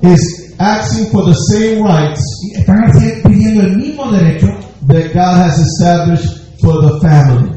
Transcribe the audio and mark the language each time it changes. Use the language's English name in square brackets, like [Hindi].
[English] is asking for the same rights, [Spanish] están pidiendo el mismo derecho, [English] that God has established for the family.